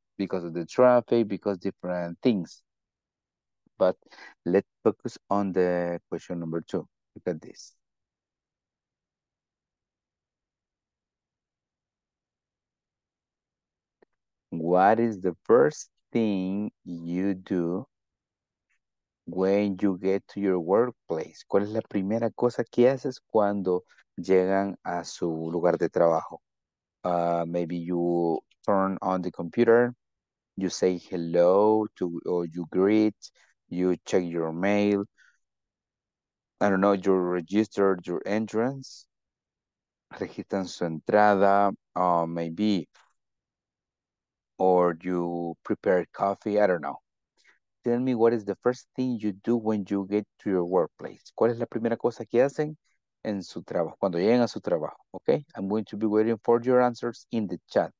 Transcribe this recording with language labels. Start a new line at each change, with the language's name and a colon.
English: Because of the traffic, because different things. But let's focus on the question number 2. Look at this. What is the first thing you do when you get to your workplace?
Spanish: ¿Cuál es la primera cosa que haces cuando llegan a su lugar de trabajo?
English: Maybe you turn on the computer, you say hello, or you greet, you check your mail. I don't know, you register your entrance.
Spanish: Registran su entrada,
English: maybe. Or you prepare coffee, I don't know. Tell me, what is the first thing you do when you get to your workplace?
Spanish: ¿Cuál es la primera cosa que hacen en su trabajo, cuando lleguen a su trabajo?
English: Okay, I'm going to be waiting for your answers in the chat.